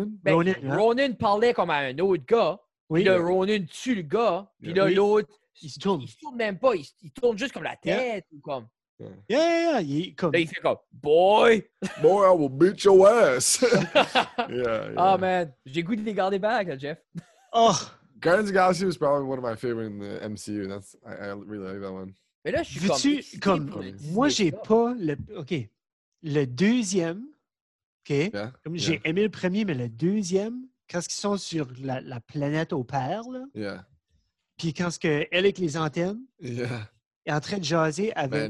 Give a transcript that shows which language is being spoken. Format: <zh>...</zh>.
<fr>Ben, Ronan parlait comme à un autre gars. Oui. Puis là, Ronan tue le gars. Puis yeah. Là, l'autre. Il se tourne. Il se tourne même pas. Il tourne juste comme la tête yeah. Ou comme. Yeah. Là, il fait comme boy.</fr> <en>Boy, I will beat your ass.</en> <fr>Yeah.</fr> <en>Oh man,</en> <fr>j'ai goûté les garder back, là, Jeff. Oh.</fr> <en>Guardians of the Galaxy was probably one of my favorite in the MCU. That's I really like that one.</en> <fr>Mais là, je suis comme, moi, j'ai pas le, ok, le deuxième, ok.</fr> <en>Yeah.</en> <fr>Comme</fr> <en>yeah.</en> <fr>J'ai aimé le premier, mais le deuxième, quand ils sont sur la planète au père, là.</fr> <en>Yeah.</en> <fr>Puis quand ce que elle avec les antennes.</fr> <en>Yeah.</en> <fr>Est en train de jaser avec</fr>